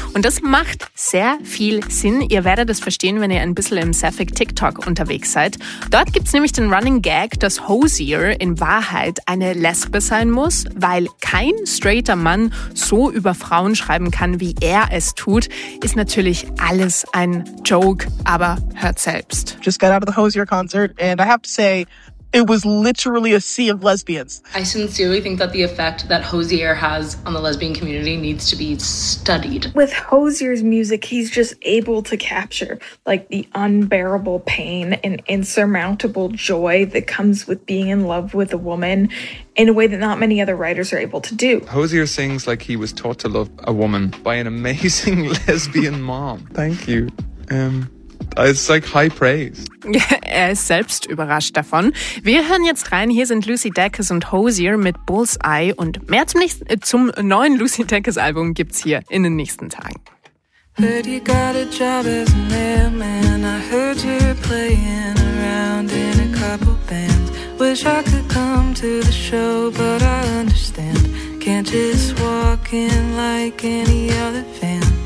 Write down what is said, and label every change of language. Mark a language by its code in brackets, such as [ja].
[de] Und das macht sehr viel Sinn. Ihr werdet das verstehen, wenn ihr ein bisschen im Sapphic TikTok unterwegs seid. Dort gibt's nämlich den Running Gag, dass Hozier in Wahrheit eine Lesbe sein muss, weil kein straighter Mann so über Frauen schreiben kann, wie er es tut. Ist natürlich alles ein Joke, aber hört selbst. [en] Just got out of the Hozier concert and I have to say, it was literally a sea of lesbians. I sincerely think that the effect that Hozier has on the lesbian community needs to be studied. With Hozier's music, he's just able to capture like the unbearable pain and insurmountable joy that comes with being in love with a woman in a way that not many other writers are able to do. Hozier sings like he was taught to love a woman by an amazing lesbian mom. Thank you. It's like high praise. [de] Er ist selbst überrascht davon. Wir hören jetzt rein. Hier sind Lucy Dacus und Hozier mit Bullseye. Und mehr zum neuen Lucy Dacus Album gibt's hier in den nächsten Tagen. [en] Heard you got a job as a mailman. I heard you playing around in a couple bands. Wish I could come to the show, but I understand. Can't just walk in like any other fan.